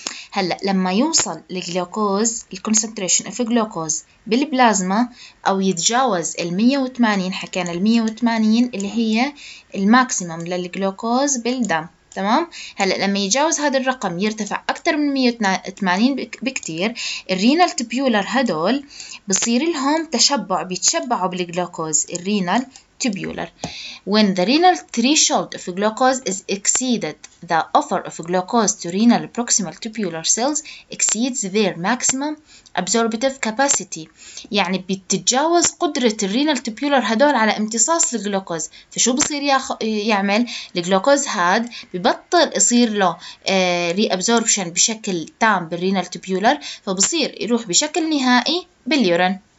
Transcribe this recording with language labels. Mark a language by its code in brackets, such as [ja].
[ar] هلا لما يوصل الجلوكوز الكونسنتريشن اوف جلوكوز بالبلازما او يتجاوز ال180 حكينا ال180 اللي هي الماكسيمم للجلوكوز بالدم. تمام. هلا لما يتجاوز هذا الرقم يرتفع اكثر من 180 بكتير الرينال تبيولر هدول بصير لهم تشبع بيتشبعوا بالجلوكوز الرينال tubular. [en] When the renal threshold of glucose is exceeded, the offer of glucose to renal proximal tubular cells exceeds their maximum absorptive capacity. [ar] يعني بتتجاوز قدرة الرينال تبيولر هدول على امتصاص الجلوكوز. فشو بصير يعمل الجلوكوز هاد ببطل يصير له reabsorption بشكل تام بالرينال تبيولر فبصير يروح بشكل نهائي باليورين.